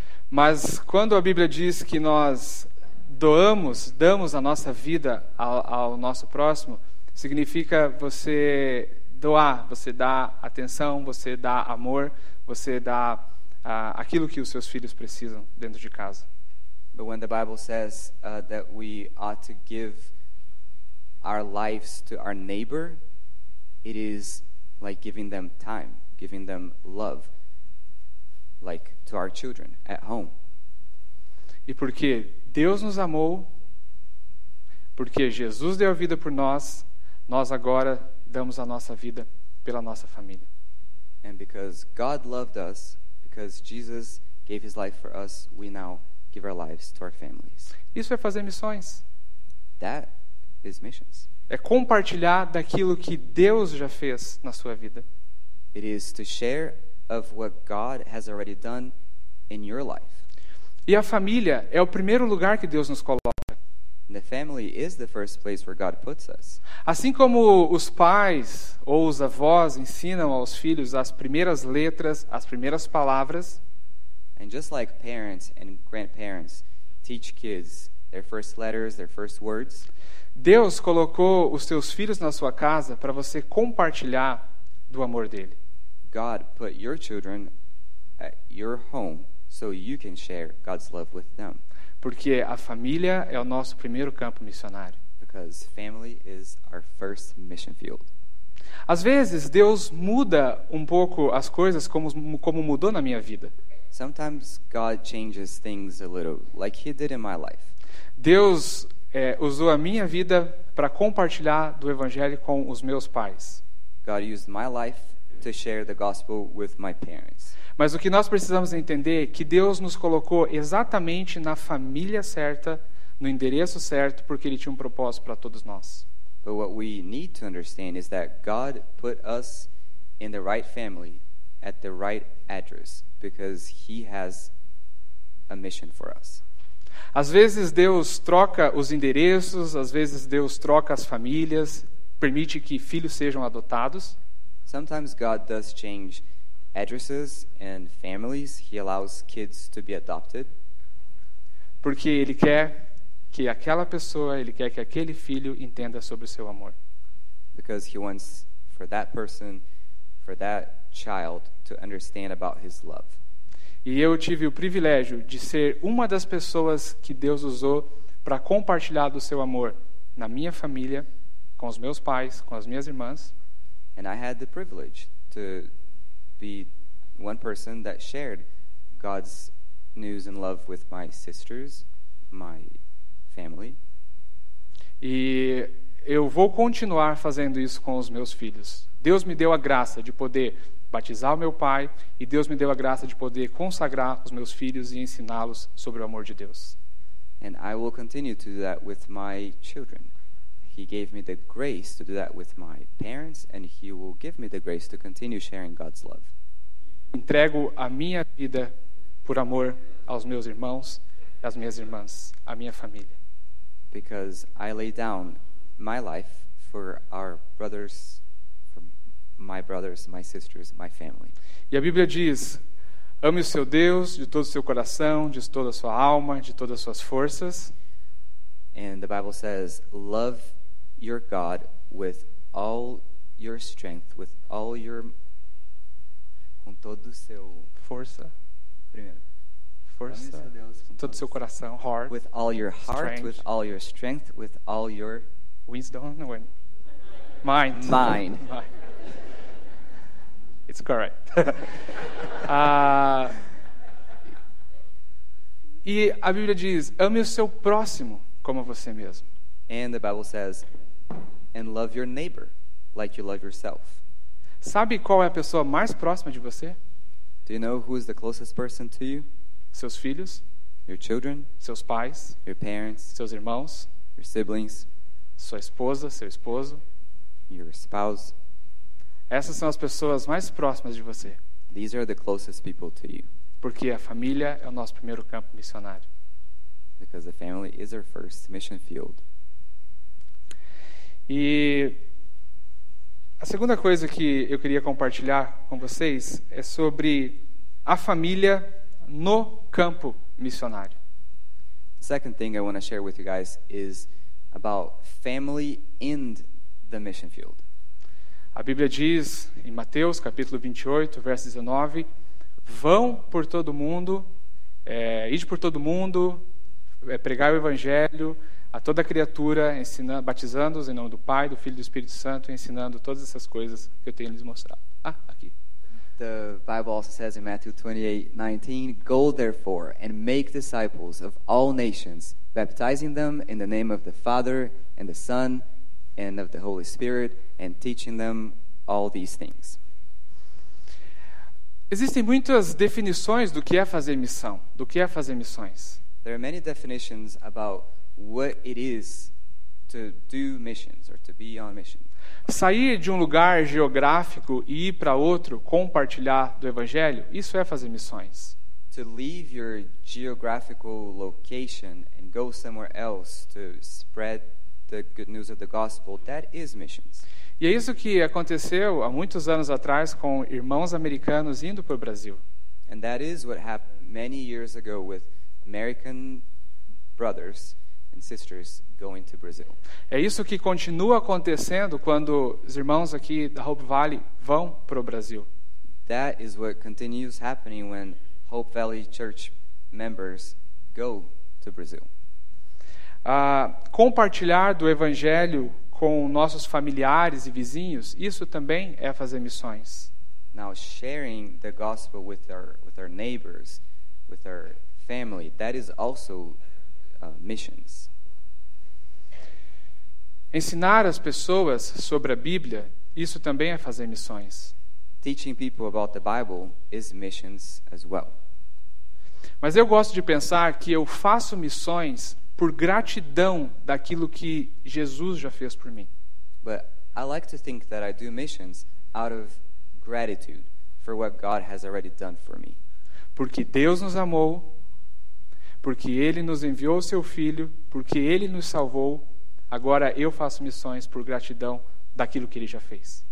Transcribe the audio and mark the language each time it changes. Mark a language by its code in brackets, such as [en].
[pt] Mas quando a Bíblia diz que nós damos a nossa vida ao nosso próximo, significa você doar, você dá atenção, você dá amor, você dá aquilo que os seus filhos precisam dentro de casa. [en] But when the Bible says that we ought to give our lives to our neighbor, it is like giving them time, giving them love, like to our children at home. [pt] E porque Deus nos amou, porque Jesus deu a vida por nós, nós agora damos a nossa vida pela nossa família. [en] And because God loved us, because Jesus gave his life for us, we now give our lives to our families. [pt] Isso é fazer missões. [en] That is missions. [pt] É compartilhar daquilo que Deus já fez na sua vida. [en] It is to share of what God has already done in your life. [pt] E a família é o primeiro lugar que Deus nos coloca. [en] The family is the first place where God puts us. [pt] Assim como os pais ou os avós ensinam aos filhos as primeiras letras, as primeiras palavras. [en] And just like parents and grandparents teach kids their first letters, their first words. [pt] Deus colocou os teus filhos na sua casa para você compartilhar do amor dele. [en] God put your children at your home so you can share God's love with them. [pt] Porque a família é o nosso primeiro campo missionário. [en] Because family is our first mission field. [pt] Às vezes Deus muda um pouco as coisas como mudou na minha vida. [en] Sometimes God changes things a little, like he did in my life. [pt] Deus usou a minha vida para compartilhar do evangelho com os meus pais. [en] God used my life to share the gospel with my parents. [pt] Mas o que nós precisamos entender é que Deus nos colocou exatamente na família certa, no endereço certo, porque ele tinha um propósito para todos nós. [en] But what we need to understand is that God put us in the right family at the right address because he has a mission for us. [pt] Às vezes Deus troca os endereços, às vezes Deus troca as famílias, permite que filhos sejam adotados. [en] Sometimes God does change addresses and families. He allows kids to be adopted. [pt] Porque ele quer que aquela pessoa, ele quer que aquele filho entenda sobre o seu amor. [en] Because he wants for that person, for that child to understand about his love. [pt] E eu tive o privilégio de ser uma das pessoas que Deus usou para compartilhar do seu amor na minha família, com os meus pais, com as minhas irmãs. [en] And I had the privilege to be one person that shared God's news and love with my sisters, my family. [pt] E eu vou continuar fazendo isso com os meus filhos. Deus me deu a graça de poder batizar o meu pai e Deus me deu a graça de poder consagrar os meus filhos e ensiná-los sobre o amor de Deus. [en] And I will continue to do that with my children. He gave me the grace to do that with my parents and he will give me the grace to continue sharing God's love. [pt] Entrego a minha vida por amor aos meus irmãos, às minhas irmãs, à minha família. [en] Because I lay down my life for our brothers, my brothers, my sisters, my family. [pt] E a Bíblia diz: ame o seu Deus de todo o seu coração, de toda a sua alma, de todas as suas forças. [en] And the Bible says, love your God with all your strength, with all your [pt] com todo o seu força. Primeiro. Força. Ame o seu Deus com todo o seu coração, [en] heart. With all your heart, strength. With all your strength, with all your wisdom, no, mind. Mind. It's correct. [pt] E a Bíblia diz: ame o seu próximo como você mesmo. [en] And the Bible says, and love your neighbor like you love yourself. [pt] Sabe qual é a pessoa mais próxima de você? [en] Do you know who is the closest person to you? [pt] Seus filhos? [en] Your children? [pt] Seus pais? [en] Your parents? [pt] Seus irmãos? [en] Your siblings? [pt] Sua esposa, seu esposo? [en] Your spouse? [pt] Essas são as pessoas mais próximas de você. [en] These are the closest people to you. [pt] Porque a família é o nosso primeiro campo missionário. [en] Because the family is our first mission field. [pt] E a segunda coisa que eu queria compartilhar com vocês é sobre a família no campo missionário. [en] The second thing I want to share with you guys is about family in the mission field. [pt] A Bíblia diz em Mateus capítulo 28, verso 19: vão por todo mundo, ide por todo mundo, pregai o evangelho a toda criatura, ensinando, batizando-os em nome do Pai, do Filho e do Espírito Santo, ensinando todas essas coisas que eu tenho lhes mostrado. Ah, aqui. [en] The Bible also says in Matthew 28:19, go therefore and make disciples of all nations, baptizing them in the name of the Father and the Son and of the Holy Spirit, and teaching them all these things. [pt] Existem muitas definições do que é fazer missão, do que é fazer missões. [en] There are many definitions about what it is to do missions or to be on mission. [pt] Sair de um lugar geográfico e ir para outro, compartilhar do evangelho, isso é fazer missões. [en] To leave your geographical location and go somewhere else to spread the good news of the gospel, that is missions. [pt] E é isso que aconteceu há muitos anos atrás com irmãos americanos indo para o Brasil. [en] And that is what happened many years ago with American brothers and sisters going to Brazil. [pt] É isso que continua acontecendo quando os irmãos aqui da Hope Valley vão para o Brasil. [en] That is what continues happening when Hope Valley Church members go to Brazil. [pt] Compartilhar do evangelho com nossos familiares e vizinhos, isso também é fazer missões. [en] Now sharing the gospel with our neighbors, with our family, that is also missions. [pt] Ensinar as pessoas sobre a Bíblia, isso também é fazer missões. [en] Teaching people about the Bible is missions as well. [pt] Mas eu gosto de pensar que eu faço missões por gratidão daquilo que Jesus já fez por mim. [en] But I like to think that I do missions out of gratitude for what God has already done for me. [pt] Porque Deus nos amou, porque Ele nos enviou o Seu Filho, porque Ele nos salvou, agora eu faço missões por gratidão daquilo que Ele já fez.